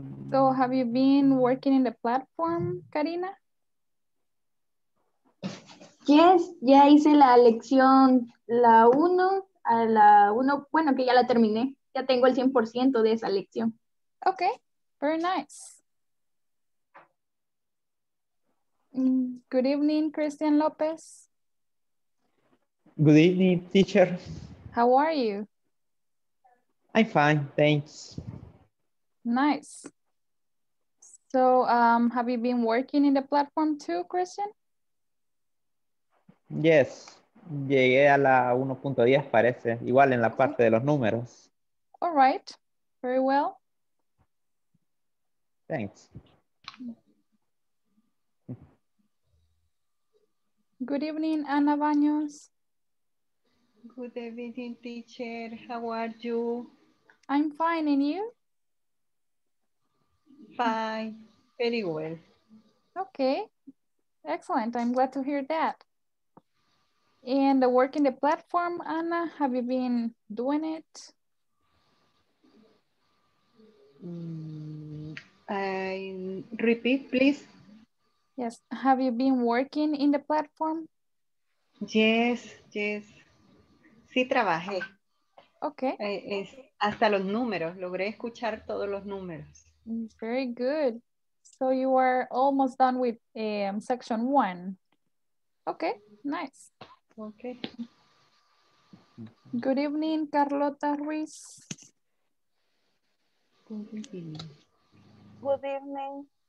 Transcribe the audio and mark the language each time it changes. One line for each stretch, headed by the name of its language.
English: So have you been working in the platform, Karina? Yes,
Spanish: ya hice la lección, la 1, a la 1, bueno, que ya la terminé. Ya tengo el 100% de esa lección.
English: Ok, very nice. Good evening, Christian López. Good evening, teacher. How are you? I'm fine, thanks. Nice. So, have you been working in the platform too, Christian? Yes,
Spanish: llegué a la 1.10, parece, igual en la parte de los números.
English: All right, very well. Thanks. Good evening, Ana Baños. Good evening, teacher. How are you? I'm fine, and you? Fine, very well. Okay, excellent. I'm glad to hear that. And the work in the platform, Ana, have you been doing it? Repeat, please. Yes, have you been working in the platform? Yes.
Spanish: Sí, trabajé.
English: Okay.
Spanish: Hasta los números, logré escuchar todos los números.
English: Very good. So you are almost done with section one. Okay, nice. Okay. Good evening, Carlota Ruiz. Good evening.